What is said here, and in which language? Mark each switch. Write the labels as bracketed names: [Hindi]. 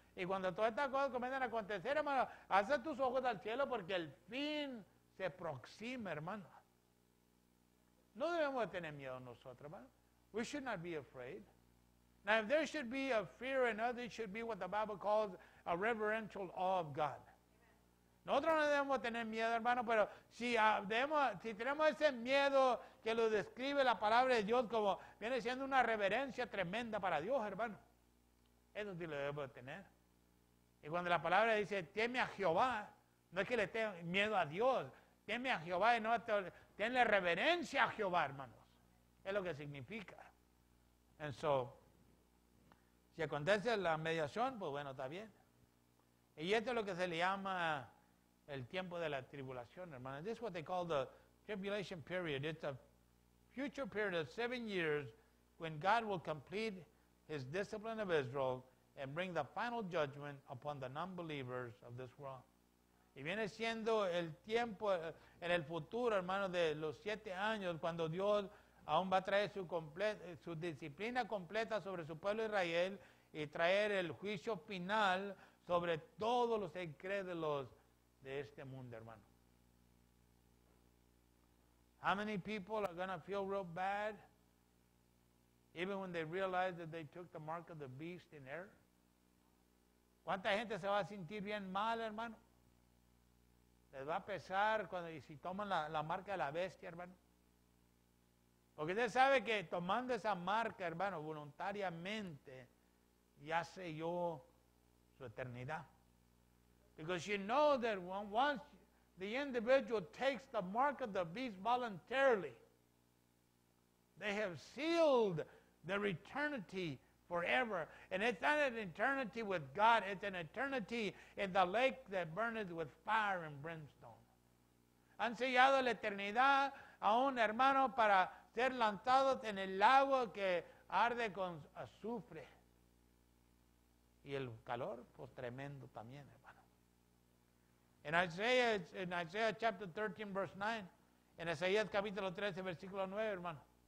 [Spanish] Y cuando todas estas cosas comienzan a acontecer, hermano, haz tus ojos al cielo porque el fin se aproxima, hermano. No debemos tener miedo nosotros, hermano. [English] We should not be afraid. Now, if there should be a fear in others, it should be what the Bible calls a reverential awe of God. [Spanish] Nosotros no debemos tener miedo, hermano, pero si tenemos ese miedo que lo describe la palabra de Dios como viene siendo una reverencia tremenda para Dios, hermano, eso sí lo debemos tener. Y cuando la palabra dice, teme a Jehová, no es que le tenga miedo a Dios, teme a Jehová y no tenle reverencia a Jehová, hermanos. Es lo que significa. And so, si acontece la mediación, pues bueno, está bien. Y esto es lo que se le llama el tiempo de la tribulación, hermanos. [English] This is what they call the tribulation period. It's a future period of 7 years when God will complete his discipline of Israel and bring the final judgment upon the non-believers of this world. [Spanish] Y viene siendo el tiempo en el futuro, hermano, de los 7 años, cuando Dios aún va a traer su disciplina completa sobre su pueblo Israel y traer el juicio final sobre todos los incrédulos de este mundo, hermano. [English] How many people are going to feel real bad even when they realize that they took the mark of the beast in error? [Spanish] ¿Cuánta gente se va a sentir bien mal, hermano? Les va a pesar cuando, y si toman la marca de la bestia, hermano. Porque usted sabe que tomando esa marca, hermano, voluntariamente, ya selló su eternidad. [English] Because you know that once the individual takes the mark of the beast voluntarily, they have sealed their eternity forever. And it's not an eternity with God. It's an eternity in the lake that burneth with fire and brimstone. [Spanish] Han sellado la eternidad a un hermano para ser lanzados en el lago que arde con azufre. Y el calor, pues tremendo también, hermano. [English] In Isaiah chapter 13, verse 9. [Spanish] En Isaías capítulo 13, versículo 9, hermano.